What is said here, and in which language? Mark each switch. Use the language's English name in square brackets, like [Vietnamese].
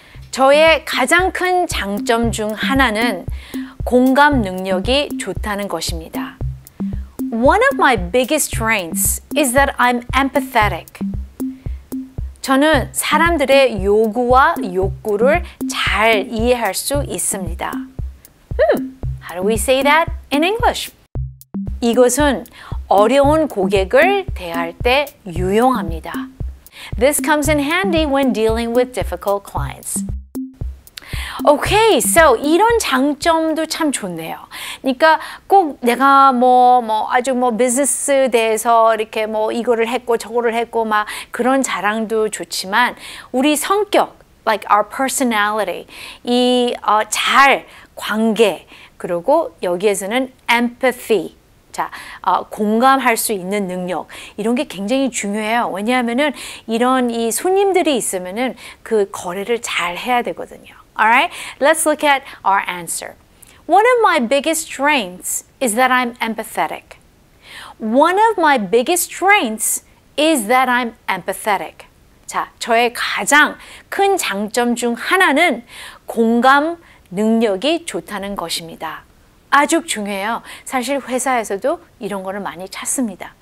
[Korean] 저의 가장 큰 장점 중 하나는 공감 능력이 좋다는 것입니다. [English] One of my biggest strengths is that I'm empathetic. [Korean] 저는 사람들의 요구와 욕구를 잘 이해할 수 있습니다. [English] How do we say that in English? [Korean] 이것은 어려운 고객을 대할 때 유용합니다. [English] This comes in handy when dealing with difficult clients. [Korean] Okay, so 이런 장점도 참 좋네요. 그러니까 꼭 내가 아주 비즈니스 대해서 이렇게 뭐 이거를 했고 저거를 했고 막 그런 자랑도 좋지만 우리 성격, [English] like our personality, [Korean] 이 잘 관계 그리고 여기에서는 empathy. 공감할 수 있는 능력 이런 게 굉장히 중요해요. 왜냐하면은 이런 이 손님들이 있으면은 그 거래를 잘 해야 되거든요. [English] Alright, let's look at our answer. One of my biggest strengths is that I'm empathetic. One of my biggest strengths is that I'm empathetic. [Korean] 자, 저의 가장 큰 장점 중 하나는 공감 능력이 좋다는 것입니다. 아주 중요해요. 사실 회사에서도 이런 거를 많이 찾습니다.